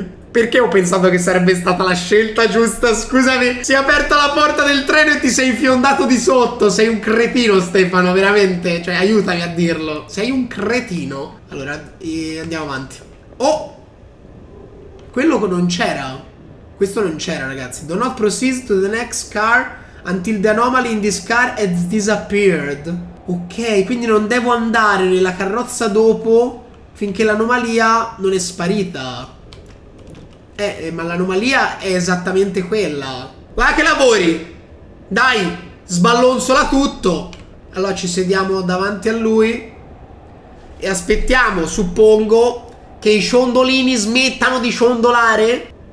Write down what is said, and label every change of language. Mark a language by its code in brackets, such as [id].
[it] Perché ho pensato che sarebbe stata la scelta giusta? Scusami. Si è aperta la porta del treno e ti sei infiondato di sotto. Sei un cretino, Stefano, veramente. Cioè, aiutami a dirlo. Sei un cretino. Allora, andiamo avanti. Oh! Quello non c'era. Questo non c'era, ragazzi. [en] Do not proceed to the next car until the anomaly in this car has disappeared. [it] Ok, quindi non devo andare nella carrozza dopo finché l'anomalia non è sparita. Ma l'anomalia è esattamente quella. Guarda che lavori! Dai, sballonzola tutto. Allora ci sediamo davanti a lui e aspettiamo, suppongo, che i ciondolini smettano di ciondolare.